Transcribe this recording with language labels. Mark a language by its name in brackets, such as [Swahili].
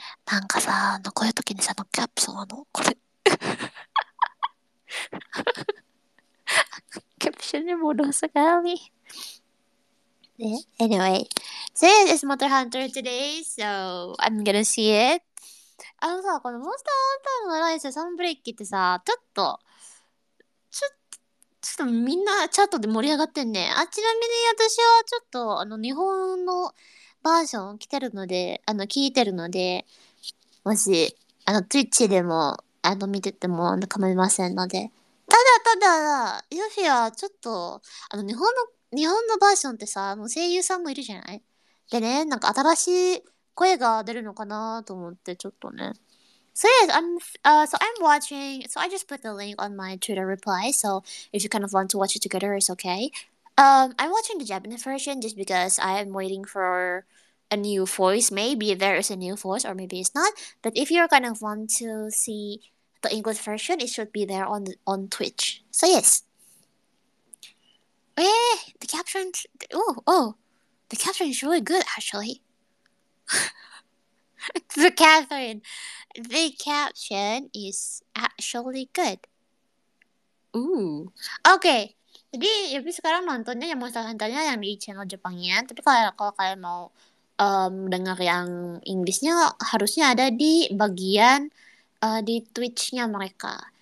[Japanese] なんかさ、こういう時にさ、キャプション、これ。キャプションに戻すがいい。 [English] Anyway, so yeah, this is Monster Hunter today, so I'm gonna see it. [Japanese] あのさ、このモンスターハンターのライセンスブレーキってさ、ちょっとみんなチャットで盛り上がってんね。あ、ちなみに私はちょっと日本のバージョン来てるので、聞いてるので、もし、Twitch でも見てても構いませんので。ただ、ヨフィはちょっと、日本のバージョンってさ、声優さんもいるじゃない？でね、なんか新しい声が出るのかなと思って、ちょっとね。 [English] So yes, I'm watching, so I just put the link on my Twitter reply, so if you kind of want to watch it together, it's okay. I'm watching the Japanese version just because I'm waiting for a new voice. Maybe there is a new voice, or maybe it's not. But if you're kind of want to see the English version, it should be there on Twitch. So yes. The caption, oh, the caption is really good actually. The caption, the caption is actually good. Ooh. Okay. [Indonesian] Jadi, ya bisa sekarang nontonnya yang Monster Hunter-nya yang di channel Jepangnya. Tapi kalau kalian mau dengar yang Inggrisnya, harusnya ada di bagian di Twitch-nya mereka.